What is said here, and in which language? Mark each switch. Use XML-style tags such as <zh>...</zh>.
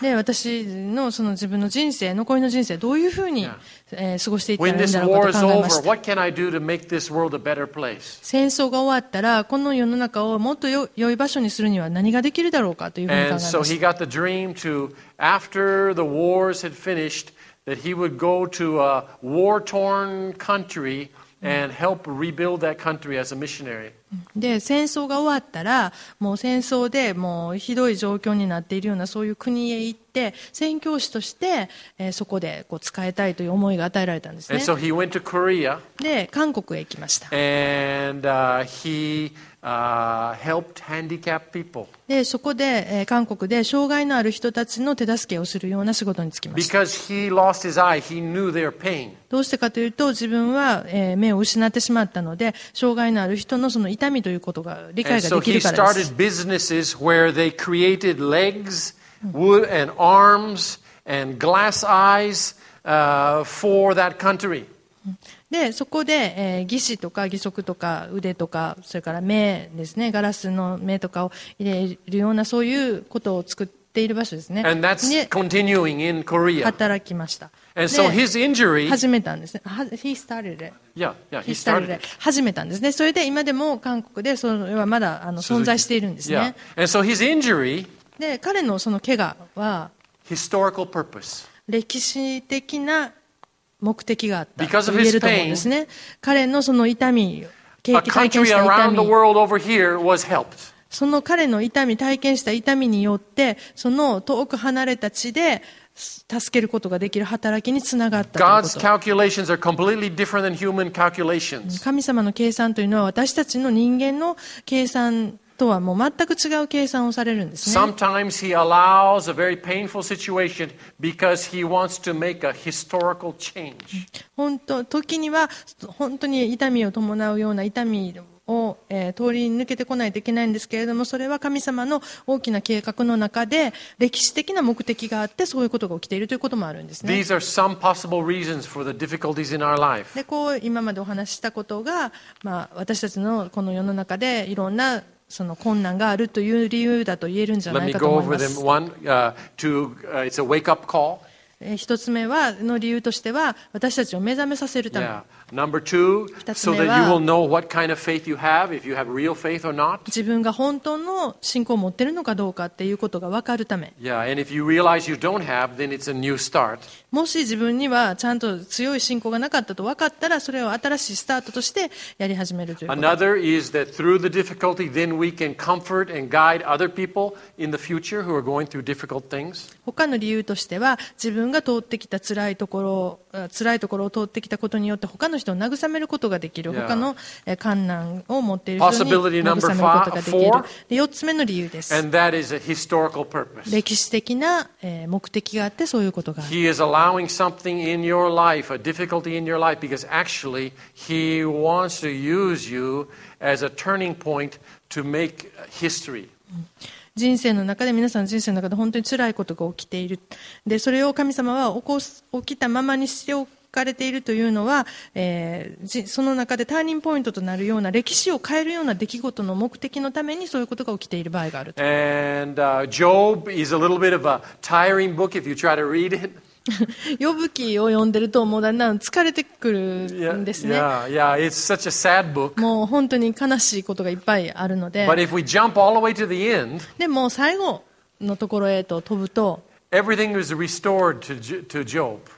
<ja>で、私のその自分の人生、残りの人生どういうふうに、過ごしていったらいいんだろうかと考えました。</ja> <en>When this war is over, what can I do to make this world a better place?</en> <ja>戦争が終わったらこの世の中をもっと良い場所にするには何ができるだろうかというふうに考えました。</ja> <en>And so he got the dream to, after the wars had finished, that he would go to a war-torn country and help rebuild that country as a missionary.</en> <ja>で、戦争が終わったらもう戦争でもうひどい状況になっているようなそういう国へ行って宣教師として、そこでこう使いたいという思いが与えられたんですね。</ja> <en>And so he went to Korea.</en> <ja>で、韓国へ行きました。</ja> <en>And, he, helped handicapped people.</en> <ja>で、そこで、韓国で障害のある人たちの手助けをするような仕事に就きました。</ja> <en>Because he lost his eye, he knew their pain.</en> <ja>どうしてかというと自分は、目を失ってしまったので障害のある人のその痛みということが理解ができるからです。</ja> <en>And so he started businesses where they created legs, wood and arms and glass eyes, for that country.</en> <ja>で、そこで、義肢とか義足とか腕とかそれから目ですね、ガラスの目とかを入れるようなそういうことを作っている場所ですね。</ja> <en>And that's continuing in Korea.</en> <ja>働きました。</ja> <en>And so his injury,</en> <ja>始めたんですね。</ja> <en>He started it. Yeah, yeah, he started it.</en> <ja>始めたんですね。それで今でも韓国でそれはまだ存在しているんですね。</ja> <en>Yeah. And so his injury,</en> <ja>で、彼のその怪我は</ja> <en>historical purpose.</en> <ja>歴史的な目的があったと言えると思うんですね。</ja> <en>Because of his pain,</en> <ja>彼のその痛み、経験した痛み、</ja> <en>A country around the world over here was helped.</en> <ja>その彼の痛み、体験した痛みによって、その遠く離れた地で助けることができる働きにつながったということ。</ja> <en>God's calculations are completely different than human calculations.</en> <ja>神様の計算というのは、私たちの人間の計算とはもう全く違う計算をされるんですね。</ja> <en>Sometimes he allows a very painful situation because he wants to make a historical change.</en> <ja>本当、時には本当に痛みを伴うような痛みを、通り抜けてこないといけないんですけれども、それは神様の大きな計画の中で歴史的な目的があって、そういうことが起きているということもあるんですね。</ja> <en>These are some possible reasons for the difficulties in our life.</en> <ja>で、こう今までお話ししたことが、まあ、私たちのこの世の中でいろんなその困難があるという理由だと言えるんじゃないかと思います。</ja> <en>One, two, it's a wake up call.</en> <ja>一つ目はの理由としては、私たちを目覚めさせるため。</ja> <en>Number two, so that you will know what kind of faith you have, if you have real faith or not.</en> <ja>自分が本当の信仰を持ってるのかどうかっていうことが分かるため。</ja> <en>Yeah, and if you realize you don't have, then it's a new start.</en> <ja>もし自分にはちゃんと強い信仰がなかったと分かったら、それを新しいスタートとしてやり始めるということ。</ja> <en>Another is that through the difficulty, then we can comfort and guide other people in the future who are going through difficult things.</en> <ja>他の理由としては、自分が通ってきた辛いところを通ってきたことによって、他の人を慰めることができる、他の困難を持っている人に慰めることができる。で、4つ目の理由です。</ja> <en>And that is a historical purpose.</en> <ja>歴史的な目的があって、そういうことがある。</ja> <en>He is allowing something in your life, a difficulty in your life, because actually he wants to use you as a turning point to make history.</en> <ja>人生の中で、皆さんの人生の中で本当に辛いことが起きている。で、それを神様は起きたままにしておく。書かれているというのは、その中でターニングポイントとなるような、歴史を変えるような出来事の目的のために、そういうことが起きている場合があると。</ja> <en>And, Job is a little bit of a tiring book if you try to read it.</en> <ja>ヨブ記を読んでると、もうだんだん疲れてくるんですね。</ja> <en>yeah, it's such a sad book.</en> <ja>もう本当に悲しいことがいっぱいあるので。</ja> <en>But if we jump all the way to the end,</en> <ja>でも最後のところへと飛ぶと、</ja> <en>Everything is restored to Job.</en>